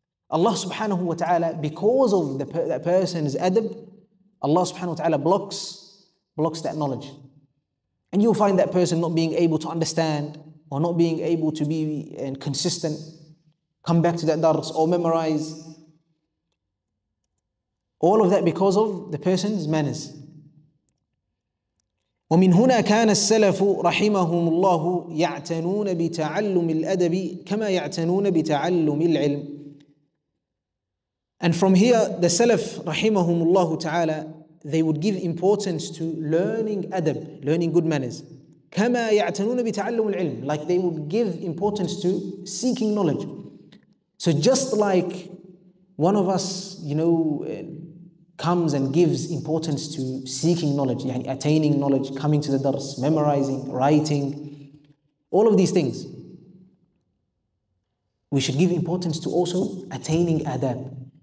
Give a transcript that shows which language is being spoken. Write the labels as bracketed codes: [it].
[en] Allah subhanahu wa ta'ala, because of that person's adab, Allah subhanahu wa ta'ala blocks that knowledge. And you'll find that person not being able to understand or not being able to be consistent, come back to that dars or memorize. All of that because of the person's manners. [ar] ومن هنا كان السلف رحمهم الله يعتنون بتعلم الأدب كما يعتنون بتعلم العلم. [en] And from here, the Salaf رحمهم الله تعالى, they would give importance to learning adab, learning good manners. [ar] كما يعتنون بتعلم العلم, [en] like they would give importance to seeking knowledge. So just like one of us, you know, comes and gives importance to seeking knowledge, يعني attaining knowledge, coming to the dars, memorizing, writing, all of these things, we should give importance to also attaining adab.